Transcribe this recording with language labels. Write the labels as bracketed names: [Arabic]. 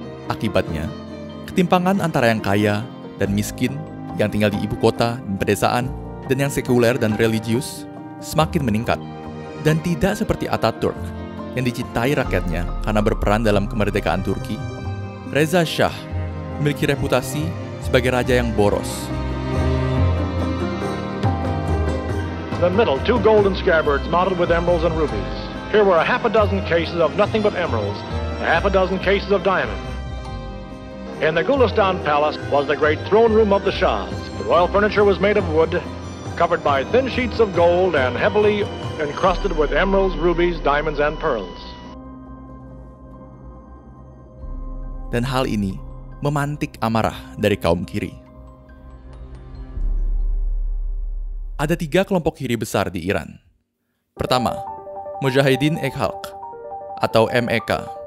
[Indonesian] Akibatnya, ketimpangan antara yang kaya dan miskin, yang tinggal di ibu kota dan pedesaan, dan yang sekuler dan religius, semakin meningkat, dan tidak seperti Ataturk yang dicintai rakyatnya karena berperan dalam kemerdekaan Turki. Reza Shah memiliki reputasi sebagai raja yang boros. [English] The middle two golden scabbards mottled with emeralds and rubies. Here were a half a dozen cases of nothing but emeralds, a half a dozen cases of diamond. In the Gulistan Palace was the great throne room of the Shahs. The royal furniture was made of wood, covered by thin sheets of gold and heavily encrusted with emeralds, rubies, diamonds, and pearls. [Indonesian] Dan hal ini memantik amarah dari kaum kiri. ada tiga kelompok kiri besar di Iran. Pertama, Mujahidin e Khalq atau MEK.